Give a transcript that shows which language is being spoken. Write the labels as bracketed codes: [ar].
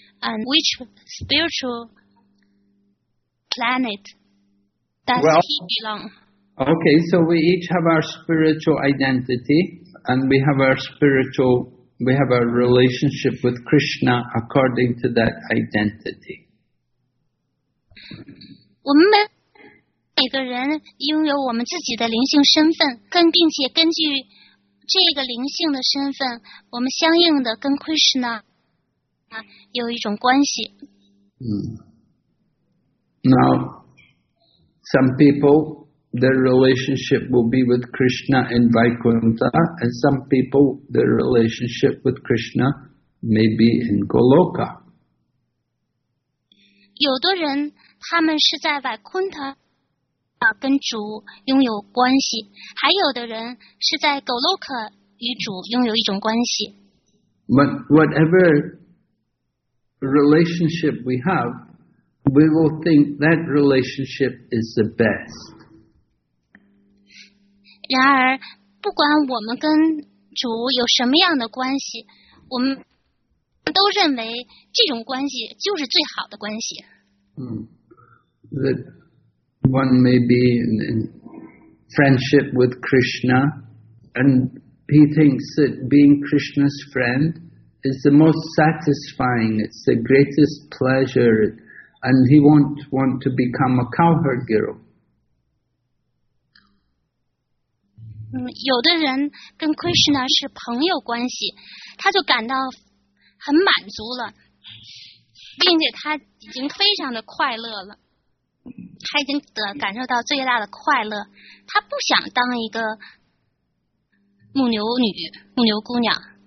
[en] And which spiritual planet he belong? Okay, so we each have our spiritual identity, and we have our relationship with Krishna according to that identity. [zh] 我们每个人拥有我们自己的灵性身份，并且根据这个灵性的身份，我们相应的跟 Krishna。有一种关系。 [en] Now, some people, their relationship will be with Krishna in Vaikuntha, and some people, their relationship with Krishna may be in Goloka. [zh] 有的人，他们是在 Vaikuntha 跟主拥有关系，还有的人是在 Goloka 与主拥有一种关系。 [en] But whatever. Relationship we have, we will think that relationship is the best. [zh] 然而，不管我们跟主有什么样的关系，我们都认为这种关系就是最好的关系。 [en] That one may be in friendship with Krishna, and he thinks that being Krishna's friend. It's the most satisfying, it's the greatest pleasure, and he won't want to become a cowherd girl. [zh] 有的人跟 Krishna 是朋友关系，他就感到很满足了，并且他已经非常的快乐了，他已经感受到最大的快乐，他不想当一个牧牛女，牧牛姑娘。